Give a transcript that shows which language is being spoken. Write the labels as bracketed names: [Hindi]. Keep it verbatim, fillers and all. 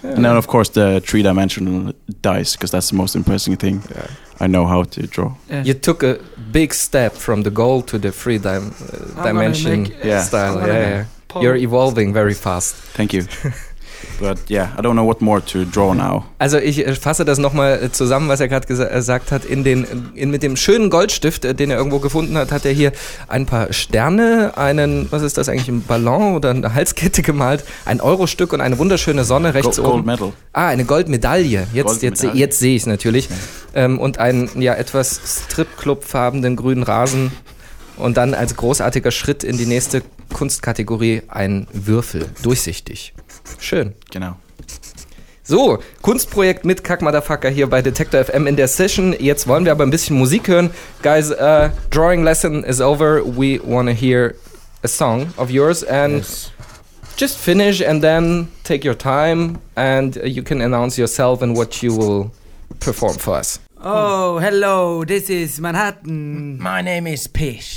[English] Yeah. And then, of course, the three-dimensional dice, because that's the most impressive thing. Yeah. I know how to draw. Yeah. You took a big step from the goal to the three dim- uh, dimension make, yeah. style. I'm yeah, yeah. Pol- You're evolving very fast. Thank you. But yeah, I don't know what more to draw now. [German] Also ich fasse das nochmal zusammen, was er gerade gesa- gesagt hat. In den, in, mit dem schönen Goldstift, den er irgendwo gefunden hat, hat er hier ein paar Sterne, einen, was ist das eigentlich, ein Ballon oder eine Halskette gemalt, ein Eurostück und eine wunderschöne Sonne rechts Gold, oben. [English] Gold Medal. [German] Ah, eine Goldmedaille. Jetzt, Gold jetzt, jetzt sehe ich es natürlich. Ja. Ähm, und einen ja, etwas Stripclub-farbenen grünen Rasen. Und dann als großartiger Schritt in die nächste Kunstkategorie ein Würfel, durchsichtig. Schön. Genau. So, Kunstprojekt mit Kack Motherfucker hier bei Detektor F M in der Session. Jetzt wollen wir aber ein bisschen Musik hören. [English] Guys, uh, drawing lesson is over. We wanna hear a song of yours and yes. just finish and then take your time and you can announce yourself and what you will perform for us. Oh, hello, this is Manhattan. My name is Pish.